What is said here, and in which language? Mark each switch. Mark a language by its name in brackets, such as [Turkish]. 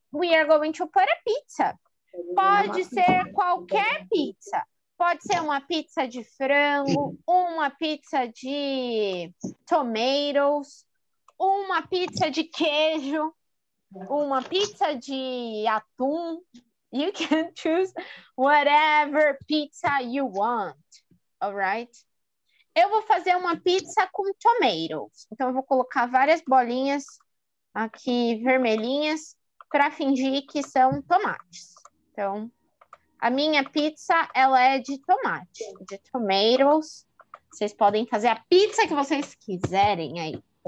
[English] We are going to put a pizza. [Portuguese] Pode ser qualquer pizza. Pode ser uma pizza de frango, uma pizza de tomatoes, uma pizza de queijo, uma pizza de atum. [English] You can choose whatever pizza you want, all right? [Portuguese] Eu vou fazer uma pizza com tomatoes. Então, eu vou colocar várias bolinhas aqui vermelhinhas para fingir que são tomates. Então, a minha pizza, ela é de tomate, de tomatoes. Vocês podem fazer a pizza que vocês quiserem aí.